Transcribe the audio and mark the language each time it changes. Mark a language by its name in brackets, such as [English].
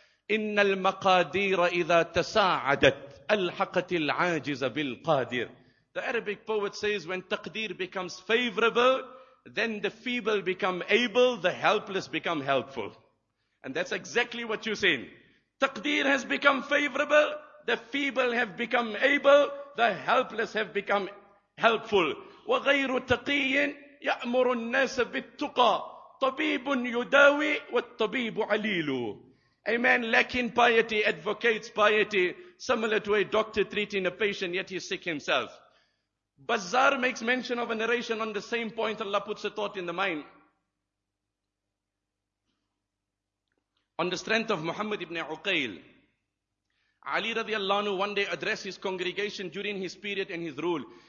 [English] إِنَّ الْمَقَادِيرَ إِذَا تَسَاعَدَتْ أَلْحَقَتِ الْعَاجِزَ بِالْقَادِيرِ. The Arabic poet says, when taqdeer becomes favorable, then the feeble become able, the helpless become helpful. And that's exactly what you're saying. Taqdeer has become favorable, the feeble have become able, the helpless have become helpful. [Arabic] وَغَيْرُ تَقِيٍ يَأْمُرُ النَّاسَ بِالتُّقَى طَبِيبٌ يُدَاوِي وَالطَّبِيبُ عَلِيلُ. [English] A man lacking piety advocates piety, similar to a doctor treating a patient, yet he's sick himself. Bazzar makes mention of a narration on the same point. Allah puts a thought in the mind. On the strength of Muhammad ibn Uqayl, Ali radiallahu anhu one day addressed his congregation during his period and his rule.